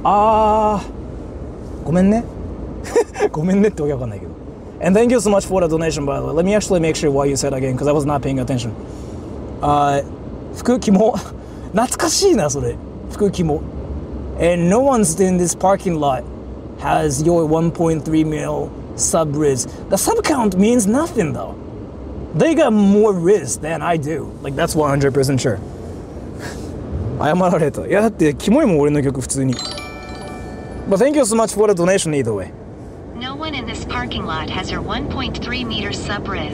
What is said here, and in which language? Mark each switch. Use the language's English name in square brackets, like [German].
[Japanese] あーごめんねごめんねってわけわかんないけど。 [English] And thank you so much for the donation by the way. Let me actually make sure what you said again because I was not paying attention. [Japanese] 服キモ懐かしいなそれ服キモ。 [English] And no one's in this parking lot has your 1.3 mil sub riz. The sub count means nothing though. They got more riz than I do. Like that's 100% sure. [Japanese] 謝られた。いやだってキモいもん俺の曲普通に。 [English] But thank you so much for the donation either way. No one in this parking lot has your 1.3 meter sub riz.